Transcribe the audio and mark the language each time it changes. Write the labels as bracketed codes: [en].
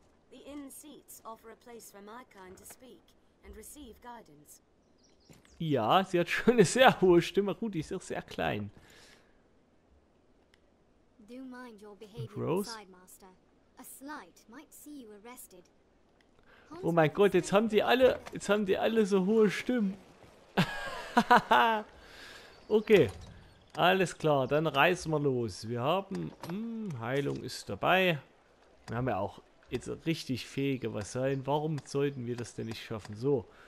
[en] The inn seats offer a place for my kind to speak and receive guidance. [de] Ja, sie hat schon eine sehr hohe Stimme. Gut, die ist auch sehr klein. [en] Do mind your behavior inside, Master. A slight might see you arrested. [de] Oh mein Gott, jetzt haben die alle so hohe Stimmen. Okay, alles klar, dann reißen wir los. Wir haben Heilung ist dabei. Wir haben ja auch jetzt richtig fähige Vasallen. Warum sollten wir das denn nicht schaffen? So.